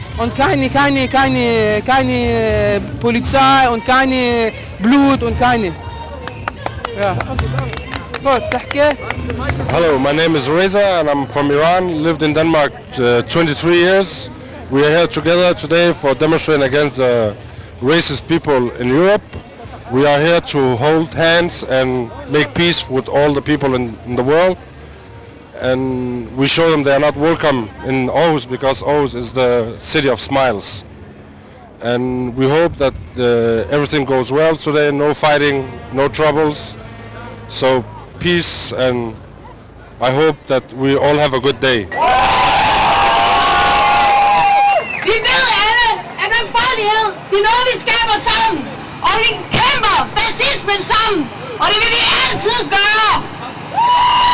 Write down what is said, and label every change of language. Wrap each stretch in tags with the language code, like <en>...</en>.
<de>Und keine Polizei und keine Blut und keine. Ja. Gut, danke.</de> <en>Hallo, my name is Reza and I'm from Iran, lived in Denmark 23 years. We are here together today for demonstrating against the racist people in Europe. We are here to hold hands and make peace with all the people in the world. And we show them they are not welcome in Aarhus because Aarhus is the city of smiles. And we hope that everything goes well today, no fighting, no troubles. So peace, and I hope that we all have a good day.</en> <da>Vi ved alle, at den farlighed, det er noget, vi skaber sammen. Og vi kæmper fascismen sammen, og det vil vi altid gøre.</da>